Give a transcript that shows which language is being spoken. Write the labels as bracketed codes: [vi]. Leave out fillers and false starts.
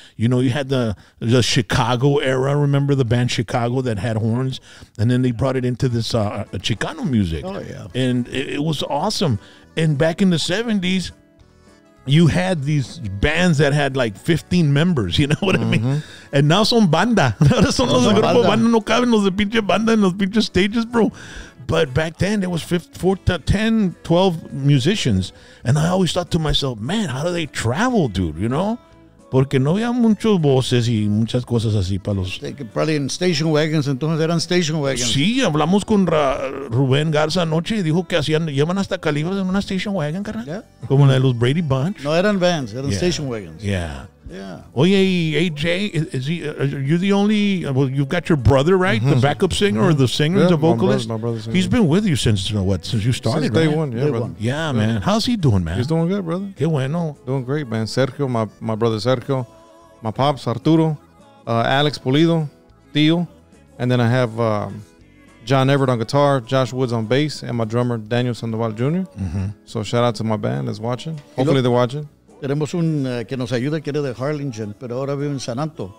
[en] You know, you had the Chicago era. Remember the band Chicago that had horns? And then they brought it into this Chicano music. Oh, yeah. And it was awesome. And back in the 70s, you had these bands that had like 15 members, you know what mm-hmm. I mean? [es] And now son banda. Ahora son los grupos banda. No caben los de pinche banda en los pinche [en] stages, bro. But back then, there was 10, 12 musicians. And I always thought to myself, man, how do they travel, dude, you know? [es] Porque no había muchos voces y muchas cosas así para los... [en] Probably in station wagons, [es] entonces eran [en] station wagons. [es] Sí, hablamos con Rubén Garza anoche y dijo que hacían, llevan hasta calibres en una station wagon, carnal. [en] Yeah. [es] Como la de los Brady Bunch. No, eran vans, eran station wagons. [en] Yeah. Yeah. Oye, AJ, are you the only, you've got your brother, right? Mm-hmm. The backup singer or the singer, the vocalist? My brother's He's been with you since you started, since day right? one, yeah, brother. Yeah, man. How's he doing, man? He's doing good, brother. [es] Qué bueno. [en] Doing great, man. Sergio, my brother Sergio, my pops, Arturo, Alex Pulido, Tio, and then I have John Everett on guitar, Josh Woods on bass, and my drummer, Daniel Sandoval Jr. Mm-hmm. So shout out to my band that's watching. Hopefully they're watching. [es] Tenemos un que nos ayuda, que era de Harlingen, pero ahora vive en San Anto.